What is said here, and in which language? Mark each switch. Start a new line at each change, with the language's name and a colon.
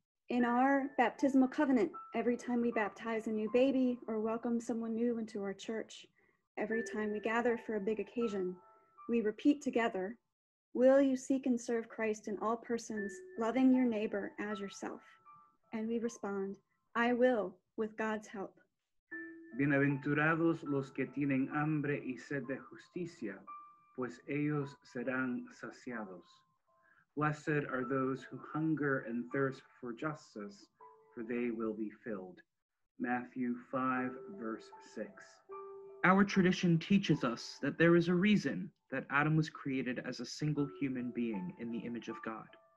English: In our baptismal covenant, every time we baptize a new baby or welcome someone new into our church, every time we gather for a big occasion, we repeat together, will you seek and serve Christ in all persons, loving your neighbor as yourself? And we respond, I will, with God's help.
Spanish: Bienaventurados los que tienen hambre y sed de justicia, pues ellos serán saciados.
English: Blessed are those who hunger and thirst for justice, for they will be filled. Matthew 5, verse 6. Our tradition teaches us that there is a reason that Adam was created as a single human being in the image of God.